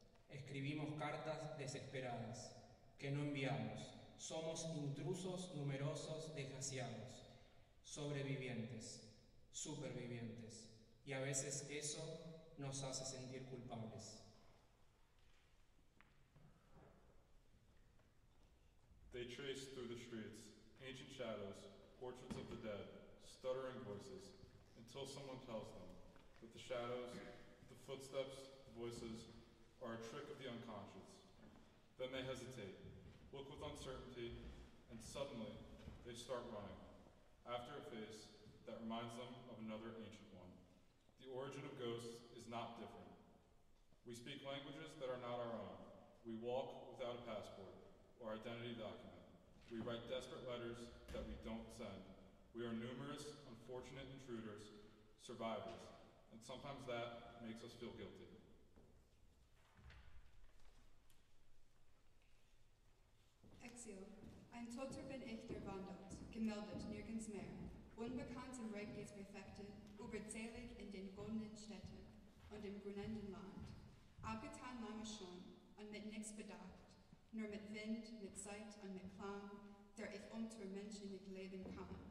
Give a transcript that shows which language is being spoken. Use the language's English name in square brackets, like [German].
[Spanish] Escribimos cartas desesperadas, que no enviamos. Somos intrusos numerosos desgraciados, sobrevivientes, supervivientes. Y a veces eso nos hace sentir culpables. [English] They trace through the streets, ancient shadows, portraits of the dead, stuttering voices, until someone tells them that the shadows, the footsteps, the voices, are a trick of the unconscious. Then they hesitate, look with uncertainty, and suddenly they start running, after a face that reminds them of another ancient one. The origin of ghosts is not different. We speak languages that are not our own. We walk without a passport or identity document. We write desperate letters that we don't send. We are numerous, unfortunate intruders, survivors, and sometimes that makes us feel guilty. [German] Exil, ein Toter bin ich, der wandert, gemeldet nirgends mehr, unbekannt im Regiesbefekte, überzählig in den goldenen Städten und im grünenden Land, abgetan lange schon und mit nichts bedacht, nur mit Wind, mit Zeit und mit Klang, der ich unter Menschen nicht leben kann.